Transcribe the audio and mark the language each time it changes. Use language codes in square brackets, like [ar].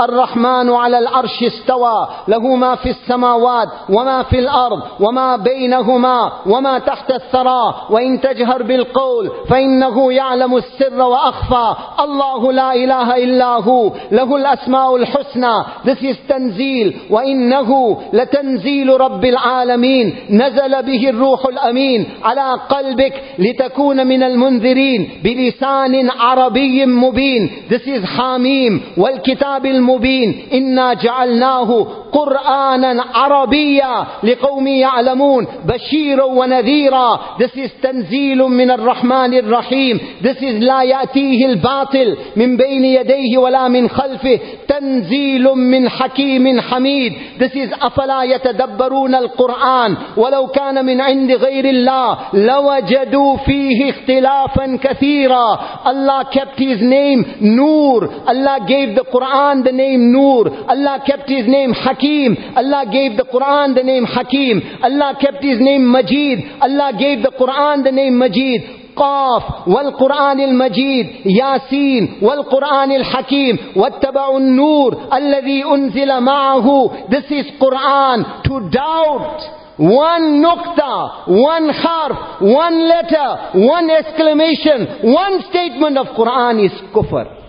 [ar] Ar-Rahmanu ala al-arsh istawa. Lahu ma fi al-samawat wa ma fi al-arz wa ma baynahuma wa ma tahta al-thara wa in tajhar bil-qawl fa in إنه يعلم السر وأخفى الله لا إله إلا هو له الأسماء الحسنى. [en] This is تنزيل. [ar] وإنه لتنزيل رب العالمين نزل به الروح الأمين على قلبك لتكون من المنذرين بلسان عربي مبين. [en] This is حاميم. [ar] والكتاب المبين إنا جعلناه قرآنا عربيا لقوم يعلمون بشيرا ونذيرا. [en] This is [ar] تنزيل من الرحمن الرحيم. This is لا يأتيه الباطل من بين يديه ولا من خلفه تنزيل من حكيم حميد. [en] This is [ar] أفلا يتدبرون القرآن ولو كان من عند غير الله لوجدوا فيه اختلافا كثيرا. [en] Allah kept his name نور. Allah gave the Quran the name نور. Allah kept his name حكيم. Allah gave the Quran the name حكيم. Allah kept his name مجيد. Allah gave the Quran the name مجيد. [ar] قاف والقرآن المجيد ياسين والقرآن الحكيم واتبع النور الذي أنزل معه. [en] This is Quran. To doubt one nukta, one harf, one letter, one exclamation, one statement of Quran is kufr.